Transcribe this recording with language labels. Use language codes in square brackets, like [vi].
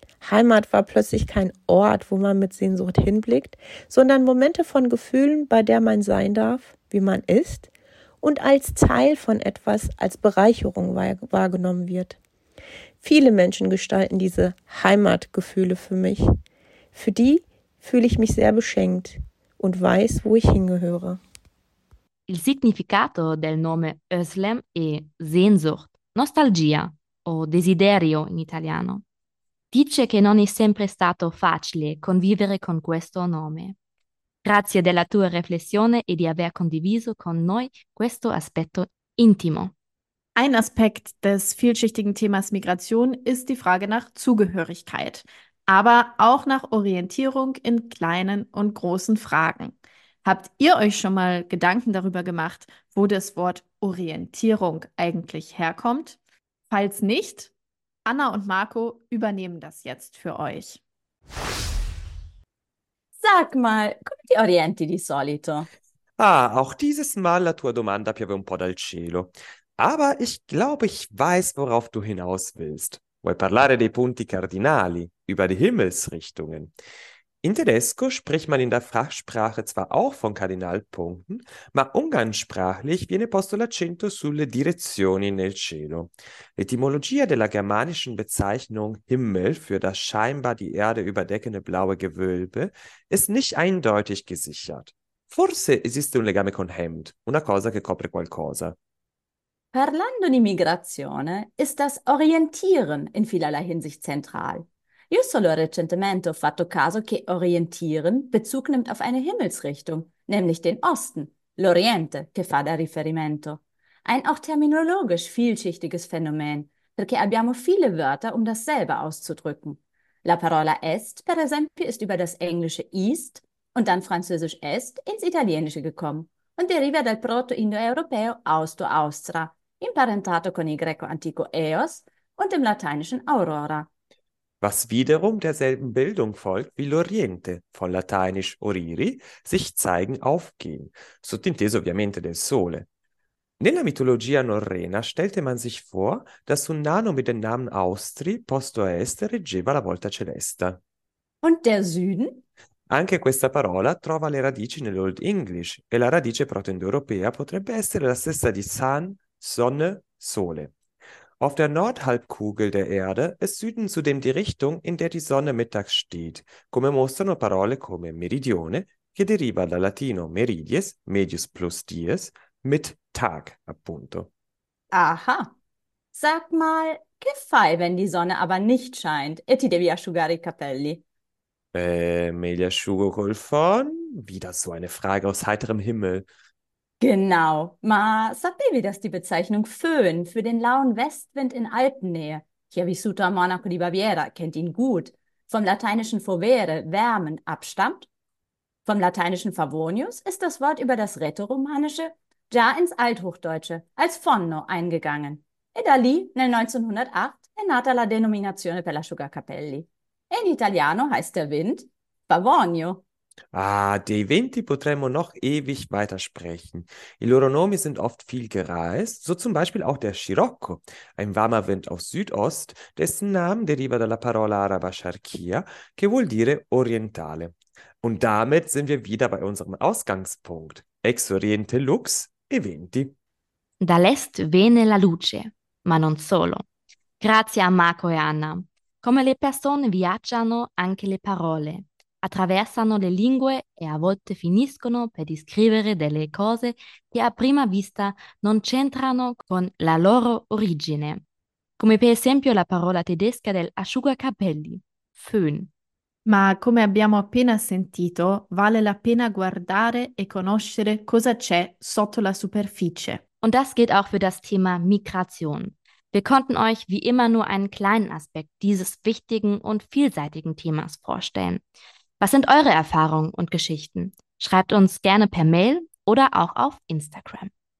[de] Heimat war plötzlich kein Ort, wo man mit Sehnsucht hinblickt, sondern Momente von Gefühlen, bei der man sein darf, wie man ist, und als Teil von etwas, als Bereicherung wahrgenommen wird. Viele Menschen gestalten diese Heimatgefühle für mich. Für die fühle ich mich sehr beschenkt und weiß, wo ich hingehöre. [it] Il significato del nome Özlem è Sehnsucht, Nostalgia o Desiderio in italiano. Dice che non è sempre stato facile convivere con questo nome. Grazie della tua riflessione e di aver condiviso con noi questo aspetto intimo. [de] Ein Aspekt des vielschichtigen Themas Migration ist die Frage nach Zugehörigkeit, aber auch nach Orientierung in kleinen und großen Fragen. Habt ihr euch schon mal Gedanken darüber gemacht, wo das Wort Orientierung eigentlich herkommt? Falls nicht, Anna und Marco übernehmen das jetzt für euch. Sag mal, [it] come ti orienti di solito? [de] Ah, auch dieses Mal [it] la tua domanda piove un po' dal cielo. [de] Aber ich glaube, ich weiß, worauf du hinaus willst. [it] Vuoi parlare dei punti cardinali, [de] über die Himmelsrichtungen. [it] In tedesco [de] spricht man in der Fachsprache zwar auch von Kardinalpunkten, [it] ma [de] umgangssprachlich [it] viene posto l'accento sulle direzioni nel cielo. L'etymologia della [de] germanischen Bezeichnung Himmel für das scheinbar die Erde überdeckende blaue Gewölbe ist nicht eindeutig gesichert. [it] Forse esiste un legame con Hemd, una cosa che copre qualcosa. Parlando di migrazione, [de] ist das Orientieren in vielerlei Hinsicht zentral. [it] Io solo recentemente ho fatto caso che [de] orientieren Bezug nimmt auf eine Himmelsrichtung, nämlich den Osten, [it] l'Oriente, che fa da riferimento. [de] Ein auch terminologisch vielschichtiges Phänomen, [it] perché abbiamo [de] viele Wörter, um dasselbe auszudrücken. [it] La parola est, per esempio, [de] ist über das englische east und dann französisch est ins italienische gekommen [it] und deriva dal proto-indoeuropeo austro-austra, imparentato con il greco antico eos [de] und dem lateinischen aurora. Was wiederum derselben Bildung folgt wie l'Oriente, von lateinisch oriri, sich zeigen, aufgehen, [it] sottinteso ovviamente del sole. Nella mitologia norrena [de] stellte man sich vor, dass [it] un nano [de] mit dem Namen [it] Austri posto est reggeva la volta celeste. [de] Und der Süden? [it] Anche questa parola trova le radici nell'Old English e la radice proto-indoeuropea potrebbe essere la stessa di sun, sonne, sole. [de] Auf der Nordhalbkugel der Erde ist Süden zudem die Richtung, in der die Sonne mittags steht, [it] come mostrano parole come meridione, che deriva dal latino meridies, medius plus dies, [de] mit Tag, [it] appunto. [de] Aha. Sag mal, [it] che fai, [de] wenn die Sonne aber nicht scheint [it] e ti devi asciugare i capelli? Me li asciugo col phon? [de] Wieder so eine Frage aus heiterem Himmel. Genau, [it] ma sapevi, [de] dass die Bezeichnung Föhn für den lauen Westwind in Alpennähe, [it] chi ha vissuto a Monaco di Baviera [de] kennt ihn gut, vom lateinischen fovere, wärmen, abstammt? Vom lateinischen favonius ist das Wort über das rätoromanische già ins Althochdeutsche, als fonno, eingegangen. [it] E da lì, nel 1908, è nata la denominazione per la Sugarcapelli. E in italiano [de] heißt der Wind [it] favonio. Ah, dei venti potremmo [de] noch ewig weitersprechen. [it] I loro nomi [de] sind oft viel gereist, so zum Beispiel auch der Scirocco, ein warmer Wind aus Südost, dessen Namen [it] deriva dalla parola araba Sharkia, che vuol dire orientale. [de] Und damit sind wir wieder bei unserem Ausgangspunkt. [la] Ex oriente lux, [it] e venti. Dall'est viene la luce, ma non solo. Grazie a Marco e Anna. Come le persone viaggiano anche le parole. Attraversano le lingue e a volte finiscono per descrivere delle cose che a prima vista non c'entrano con la loro origine. Come per esempio la parola tedesca del asciugacapelli, Föhn. Ma come abbiamo appena sentito, vale la pena guardare e conoscere cosa c'è sotto la superficie. [de] Und das gilt auch für das Thema Migration. Wir konnten euch wie immer nur einen kleinen Aspekt dieses wichtigen und vielseitigen Themas vorstellen. Was sind eure Erfahrungen und Geschichten? Schreibt uns gerne per Mail oder auch auf Instagram.